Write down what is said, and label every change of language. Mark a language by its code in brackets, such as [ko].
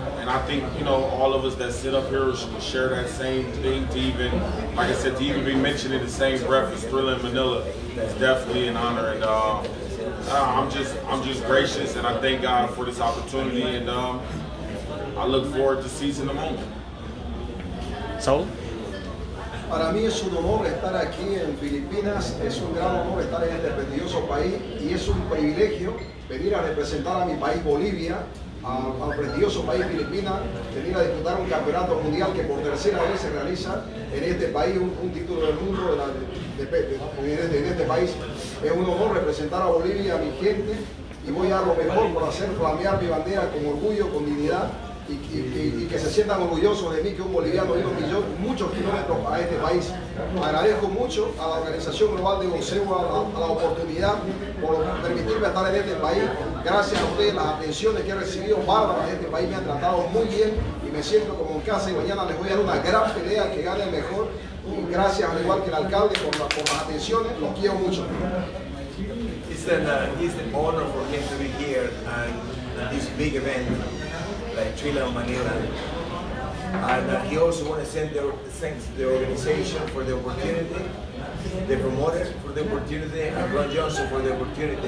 [en] And I think, you know, all of us that sit up here should share that same thing, to even, like I said, to even be mentioned in the same breath as Thrilla in Manila is definitely an honor. And I'm just gracious, and I thank God for this opportunity, and I look forward to seizing the moment. So, [es] para mí es un honor estar aquí en Filipinas. Es un gran honor estar en este prestigioso país, y es un privilegio venir a representar a mi país Bolivia, al prestigioso país Filipinas, venir a disputar un campeonato mundial que por tercera vez se realiza en este país, un título del mundo en este país. Es un honor representar a Bolivia, a mi gente, y voy a dar lo mejor por hacer flamear mi bandera con orgullo, con dignidad, y que se sientan orgullosos de mí, que un boliviano vino y yo muchos kilómetros a este país. Agradezco mucho a la Organización Global de Boxeo, a la oportunidad por permitirme estar en este país. Gracias a ustedes, las atenciones que he recibido, bárbaras de este país, me han tratado muy bien y me siento como en casa, y mañana les voy a dar una gran pelea, que gane el mejor. Gracias, al igual que el alcalde, por las atenciones, los quiero mucho. [en] It's an honor for him to be here at this big event, like Thrilla Manila. And he also want to send thanks to the organization for the opportunity, the promoter for the opportunity, and Ron Johnson for the opportunity.